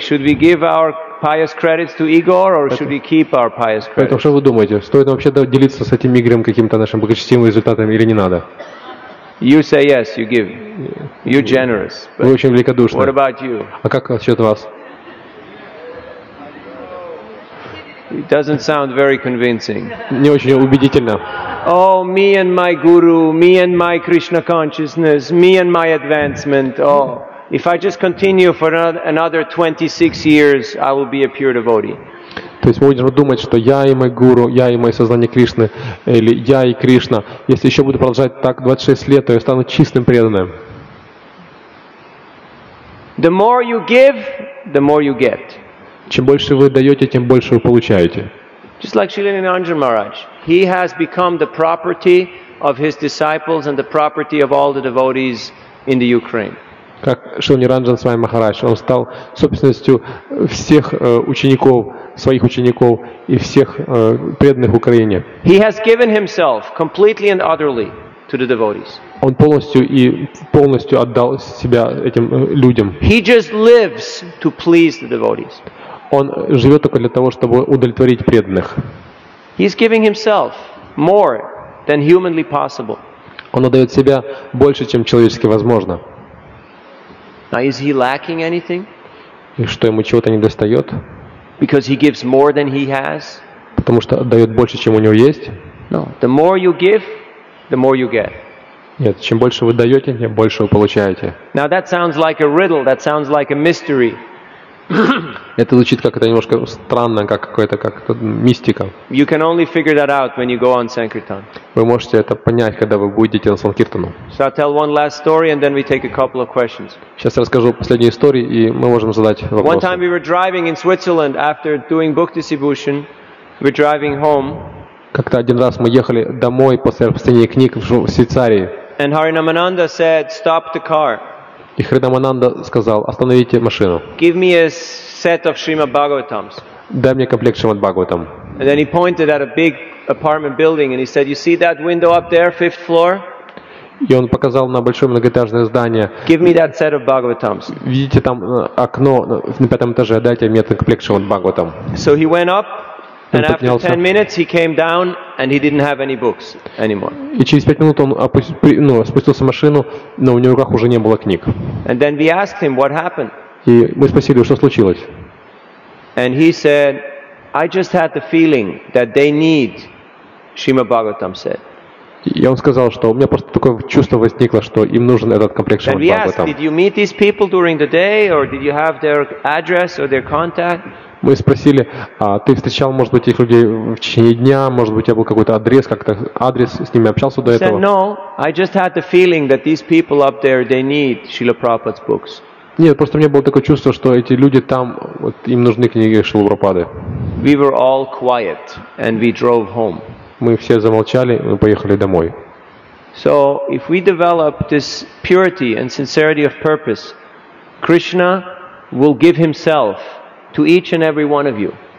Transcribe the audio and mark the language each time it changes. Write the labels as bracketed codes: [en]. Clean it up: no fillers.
[en] Should we give our pious credits to Igor, or should we keep our pious credits? [ru] Поэтому что вы думаете? Стоит вообще делиться с этим Игорем каким-то нашим благочестивым результатом или не надо? [en] You say yes, you give. You're generous. [ru] Вы очень великодушны. [en] What about you? [ru] А как насчет вас? [en] It doesn't sound very convincing. [ru] Не очень убедительно. [en] Oh, me and my guru, me and my Krishna consciousness, me and my advancement. Oh, if I just continue for another 26 years, I will be a pure devotee. [ru] То есть мы будем думать, что я и мой гуру, я и мое сознание Кришны, или я и Кришна, если еще буду продолжать так 26 лет, то я стану чистым преданным. [en] The more you give, the more you get. [ru] Чем больше вы даете, тем больше вы получаете. [en] Just like Srila Nanjan Maharaj, he has become the property of his disciples and the property of all the devotees in the Ukraine. [ru] Как Шрила Ниранджан Свами Махарадж, он стал собственностью всех учеников, своих учеников и всех преданных в Украине. [en] He has given himself completely and utterly to the devotees. [ru] Он полностью отдал себя этим людям. [en] He just lives to please the devotees. [ru] Он живет только для того, чтобы удовлетворить преданных. [en] He is giving himself more than humanly possible. [ru] Он отдает себя больше, чем человечески возможно. [en] Now, is he lacking anything? [ru] И что, ему чего-то не достает? [en] Because he gives more than he has? [ru] Потому что отдает больше, чем у него есть? [en] No. The more you give, the more you get. [ru] Нет, чем больше вы даете, тем больше вы получаете. [en] Now that sounds like a riddle, that sounds like a mystery. [ru] Это звучит как-то немножко странно, как-то мистика. [en] You can only figure that out when you go on sankirtan. [ru] Вы можете это понять, когда вы будете на санкиртану. [en] So I'll tell one last story and then we take a couple of questions. [ru] Сейчас расскажу последнюю историю и мы можем задать вопросы. [en] One time we were driving in Switzerland after doing book distribution. We're driving home. [ru] Как-то один раз мы ехали домой после распространения книг в Швейцарии. [en] And Harinamananda said, "Stop the car." [ru] И Харинамананда сказал, остановите машину. [en] Give me a set of Shrimad Bhagavatams. [ru] Дай мне комплект Шримад Бхагаватам. [en] And then he pointed at a big apartment building and he said, you see that window up there, fifth floor? [ru] И он показал на большое многоэтажное здание. [en] Give me that set of Bhagavatams. [ru] Видите там окно на пятом этаже, дайте мне этот комплект Шримад Бхагаватам. [en] So he went up. And after 10 minutes he came down and he didn't have any books anymore. [ru] И через 5 минут он спустился в машину, но у него в руках уже не было книг. [en] And then we asked him what happened. [ru] И мы спросили, что случилось. [en] And he said, I just had the feeling that they need Shrimad Bhagavatam set. [ru] И он сказал, что у меня просто такое чувство возникло, что им нужен этот комплект Шримад Бхагаватам. [en] Did you meet these people during the day or did you have their address or their contact? [ru] Мы спросили, а ты встречал, может быть, их людей в течение дня, может быть, у тебя был какой-то адрес, как-то адрес с ними общался до этого? [en] Said, no, I just had the feeling that these people up there, they need Srila Prabhupada's books. [ru] Нет, просто у меня было такое чувство, что эти люди там, вот им нужны книги Шрилы Прабхупады. [en] We were all quiet and we drove home. [ru] Мы все замолчали, мы поехали домой. [en] So, if we develop this purity and sincerity of purpose, Krishna will give himself to each and every one of you.